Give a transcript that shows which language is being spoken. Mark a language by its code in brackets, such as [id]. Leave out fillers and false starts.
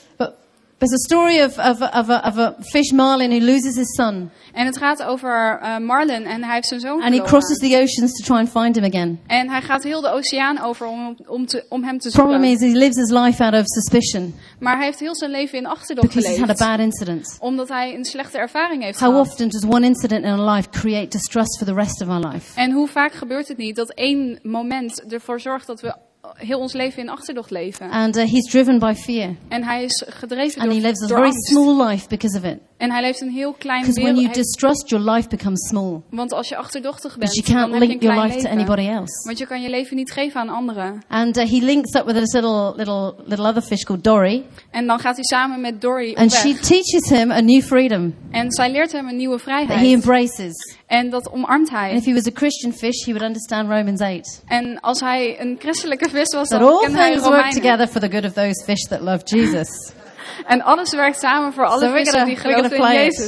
[en] But there's a story of a fish Marlin who loses his son. [nl] En het gaat over Marlin en hij heeft zijn zoon verloren. [en] And he crosses the oceans to try and find him again. [nl] En hij gaat heel de oceaan over om hem te zoeken. [en] Problem is he lives his life out of suspicion. [nl] Maar hij heeft heel zijn leven in achterdocht geleefd. [en] Because he's had a bad incident. [nl] Omdat hij een slechte ervaring heeft [en] How [nl] gehad. [en] How often does one incident in our life create distrust for the rest of our life? [nl] En hoe vaak gebeurt het niet dat één moment ervoor zorgt dat we heel ons leven in achterdocht leven. [en] And he's driven by fear. [nl] En hij is gedreven [en] and [nl] door angst. [en] And he lives a very small life because of it. [nl] En hij leeft een heel klein deel. [en] When you distrust, your life becomes small. [nl] Want als je achterdochtig bent, [en] you can't [nl] dan link heb je een klein leven. [en] To anybody else. [nl] Want je kan je leven niet geven aan anderen. [en] And he links up with this little other fish called Dory. [nl] En dan gaat hij samen met Dory op weg. [en] And she teaches him a new freedom. [nl] En zij leert hem een nieuwe vrijheid. [en] That he embraces. [nl] En dat omarmt hij. [en] And if he was a Christian fish, he would understand Romans 8. [nl] En als hij een christelijke vis was, dan kende hij Romeinen. [en] Work together for the good of those fish that love Jesus. [nl] En alles werkt samen voor alle vissen die geloven in Jezus.